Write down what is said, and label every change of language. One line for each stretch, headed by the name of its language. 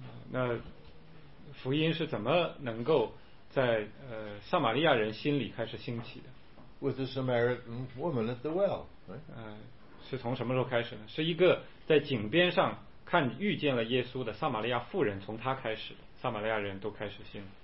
Chinese: 那福音是怎么能够在撒玛利亚人心里开始兴起的？
English: With the Samaritan woman at the well, right?
Chinese: 是从什么时候开始呢？是一个在井边上看遇见了耶稣的撒玛利亚妇人，从她开始，撒玛利亚人都开始信。